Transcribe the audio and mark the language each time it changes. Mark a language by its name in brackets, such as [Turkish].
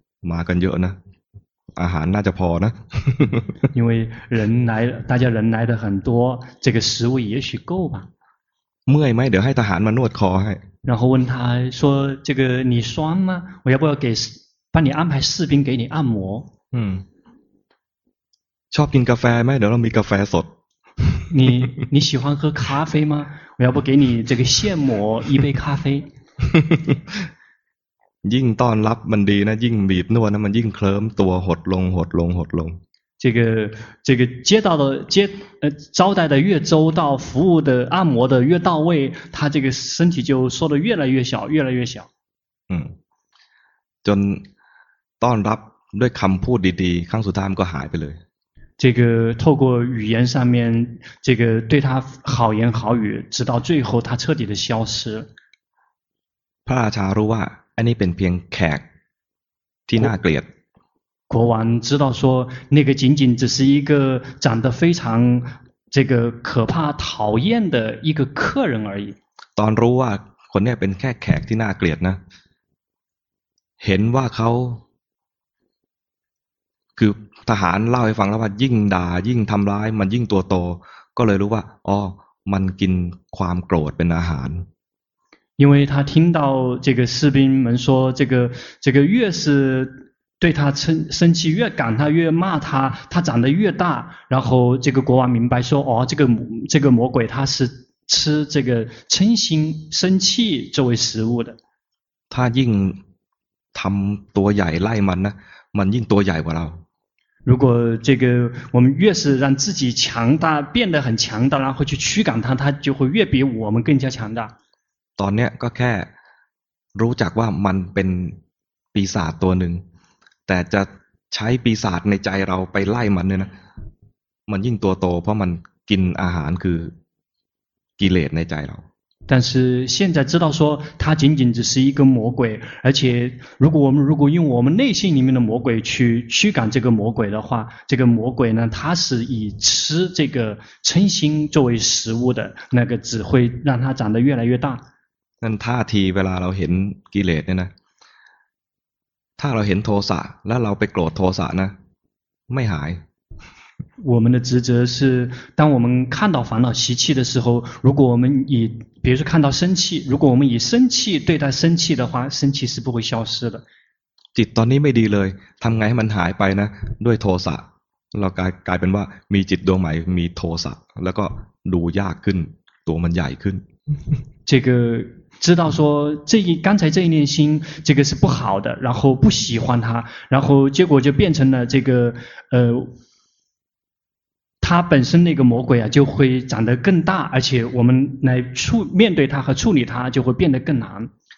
[Thai] มากันเยอะนะอาหารน่าจะพอนะ [Chinese] 因为人来大家人来的很多这个食物也许够吧 [Thai] เมื่อยไหมเดี๋ยวให้ทหารมานวดคอให้ [Chinese] 然后问他说这个你酸吗我要不要给帮你安排士兵给你按摩 [Thai] ชอบกินกาแฟไหมเดี๋ยวเรามีกาแฟสด [Chinese] 你喜欢喝咖啡吗我要不给你这个现磨一杯咖啡 [Thai] ยิ่งต้อนรับมันดีนะยิ่งบีบนวดนะมันยิ่งเคลิ้มตัวหดลงหดลงหดลง [Chinese] 这个接到的接招待的越周到服务的按摩的越到位他这个身体就缩得越来越小越来越小 [Thai] จนต้อนรับด้วยคำพูดดีๆครั้งสุดท้ายมันก็หายไปเลย [Chinese] 这个透过语言上面这个对他好言好语直到最后他彻底的消失 [Thai] พระราชารู้ว่าอันนี้เป็นเพียงแขกที่น่าเกลียด [Chinese] 国王知道说那个仅仅只是一个长得非常这个可怕讨厌的一个客人而已。 [Thai] ตอนรู้ว่าคนนี้เป็นแค่แขกที่น่าเกลียดนะเห็นว่าเขาคือทหารเล่าให้ฟังแล้วว่ายิ่งด่ายิ่งทำร้ายมันยิ่งตัวโตก็เลยรู้ว่าอ๋อมันกินความโกรธเป็นอาหาร [Chinese] 因为他听到这个士兵们说这个越是对他生气越赶他越骂他他长得越大然后这个国王明白说哦这个魔鬼他是吃这个嗔心生气作为食物的 [Thai] 他ยิ่งทำตัวใหญ่ไล่มันนะมันยิ่งตัวใหญ่กว่าเรา [Chinese] 如果这个我们越是让自己强大变得很强大然后去驱赶他就会越比我们更加强大 [Thai] ตอนเนี้ยก็แค่รู้จักว่ามันเป็นปีศาจตัวหนึ่งแต่จะใช้ปีศาจในใจเราไปไล่มันเนี่ยนะมันยิ่งตัวโตเพราะมันกินอาหารคือกิเลสในใจเรา [Chinese] 但是现在知道说它仅仅只是一个魔鬼而且如果用我们内心里面的魔鬼去驱赶这个魔鬼的话这个魔鬼呢它是以吃这个嗔心作为食物的那个只会让它长得越来越大 [Thai] นั่นท่าทีเวลาเราเห็นกิเลสเนี่ยนะถ้าเราเห็นโทสะแล้วเราไปโกรธโทสะนะไม่หาย [Chinese] 我们的职责是当我们看到烦恼习气的时候如果我们以比如说看到生气如果我们以生气对待生气的话生气是不会消失的 [Thai] จิตตอนนี้ไม่ดีเลยทำไงให้มันหายไปนะด้วยโทสะเรากลายเป็นว่ามีจิตดวงใหม่มีโทสะแล้วก็ดูยากขึ้นตัวมันใหญ่ขึ้น [Chinese] 这个知道说这一刚才这一念心这个是不好的然后不喜欢它然后结果就变成了这个他本身那个魔鬼啊就会长得更大而且我们来面对他和处理他就会变得更难